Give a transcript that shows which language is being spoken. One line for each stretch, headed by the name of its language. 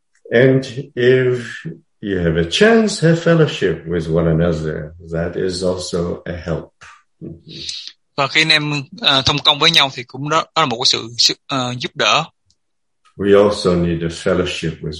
English: And if you have a chance, have fellowship with one another. That is also a help.
Vietnamese: Và khi anh em thông công với nhau thì cũng đó là một sự giúp đỡ.
English: We also need a fellowship with one another.